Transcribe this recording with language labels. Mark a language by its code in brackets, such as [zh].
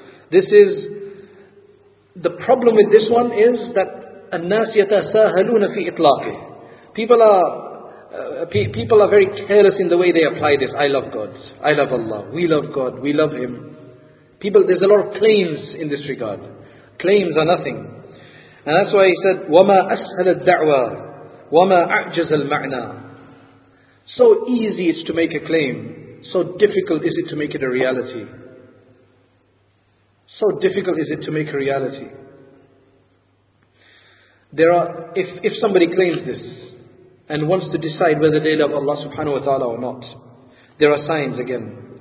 [en] This is, the problem with this one is that [ar] النَّاسِ يَتَسَاهَلُونَ فِي إِطْلَاقِهِ. [en] People are People are very careless in the way they apply this. I love God. I love Allah. We love God. We love Him. People, there's a lot of claims in this regard. Claims are nothing. And that's why he said, [ar] وَمَا أَسْهَلَ الدَّعْوَى وَمَا أَعْجَزَ الْمَعْنَى. [en] So easy it's to make a claim. So difficult is it to make it a reality. So difficult is it to make a reality. There are, if somebody claims this and wants to decide whether they love Allah subhanahu wa ta'ala or not, there are signs again.